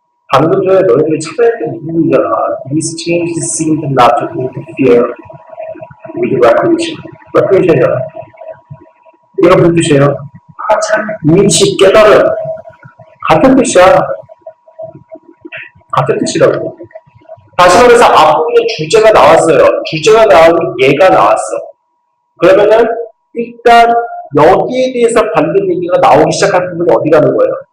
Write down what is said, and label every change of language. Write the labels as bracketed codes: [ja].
[ko] 방금 전에 너희들이 찾아했던 부분이잖아. [en] These changes seem to not to interfere with recognition. [ko] Recognition이잖아. 이게 무슨 뜻이에요? 아, 참. 인식, 깨달음. 같은 뜻이야. 같은 뜻이라고. 다시 말해서 앞부분에 주제가 나왔어요. 주제가 나오고 얘가 나왔어. 그러면은 일단 여기에 대해서 받는 얘기가 나오기 시작한 부분이 어디 가는 거예요?